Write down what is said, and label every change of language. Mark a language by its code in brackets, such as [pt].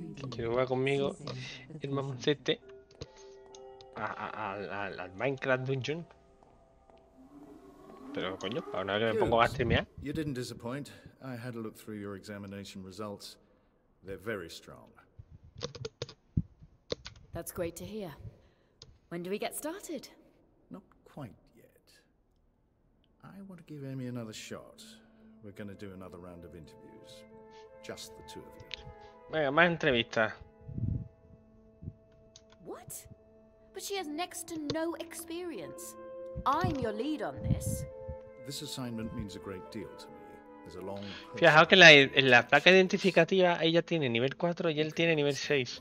[es] Quiero jugar conmigo el mamoncete al Minecraft Dungeon. Pero, coño, para una vez que me pongo a streamear. [en] You didn't disappoint. I had a look through your examination results. They're very strong. That's great to hear. When do we get started? Not quite. I want to give Amy another shot. We're going to do another round of interviews. Just the two of you. [es] Venga, más entrevistas. [en] What? But she has next to no experience. I'm your lead on this. This assignment means a great deal to me. There's a long... [es] Fijaos que la placa identificativa ella tiene nivel 4 y él tiene nivel 6.